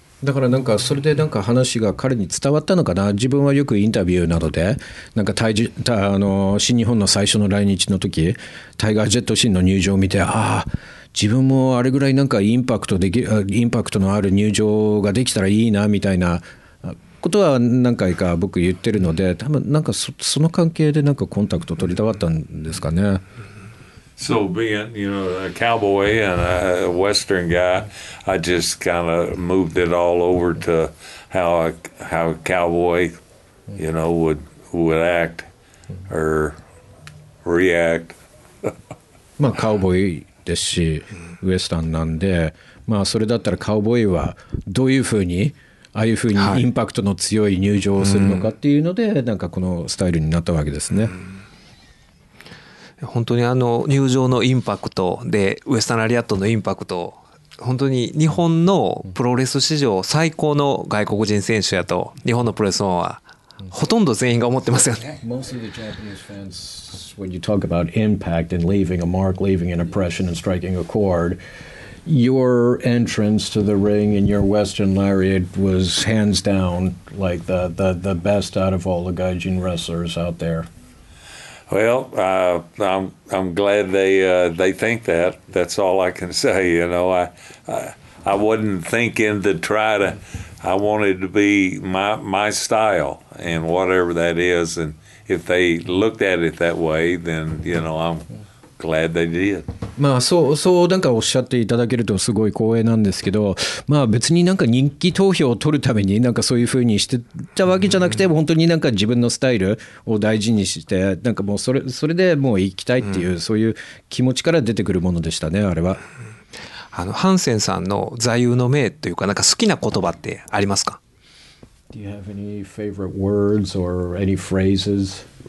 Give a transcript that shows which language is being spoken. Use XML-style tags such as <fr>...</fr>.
<ja>だからなんかそれでなんか話が彼に伝わったのかな。自分はよくインタビューなどでなんか新日本の最初の来日の時、タイガージェットシーンの入場を見て、ああ自分もあれぐらいなんかインパクトのある入場ができたらいいなみたいなことは何回か僕言ってるので、多分なんか その関係でなんかコンタクト取りたかったんですかね。</ja> <en>So being, you know, a cowboy and a western guy, I just kind of moved it all over to how a cowboy, you know, would act or react.</en> <ja>まあカウボーイですし、ウエスタンなんで、まあそれだったらカウボーイはどういうふうに、ああいうふうにインパクトの強い入場をするのかっていうので、はい、なんかこのスタイルになったわけですね。本当にあの入場のインパクトで、ウエスタンラリアットのインパクト、本当に日本のプロレス史上最高の外国人選手やと日本のプロレスファンはほとんど全員が思ってますよね。</ja> <en>Most of the Japanese fans, when you talk about impact and leaving a mark, leaving an impression and striking a chord, your entrance to the ring in your Western Lariat was hands down like the best out of all the Gaijin wrestlers out there. Well, I'm glad they think that. That's all I can say. You know, I wasn't thinking to try to. I wanted to be my style and whatever that is. And if they looked at it that way, then you know I'm glad they did.</en> <ja>まあそうなんかおっしゃっていただけるとすごい光栄なんですけど、まあ別になんか人気投票を取るためになんかそういう風にしてたわけじゃなくて、本当になんか自分のスタイルを大事にしてなんかもうそれでもう行きたいっていうそういう気持ちから出てくるものでしたねあれは。あのハンセンさんの座右の銘というかなんか好きな言葉ってありますか？</ja> <en>Do you have any favorite words or any phrases?</en>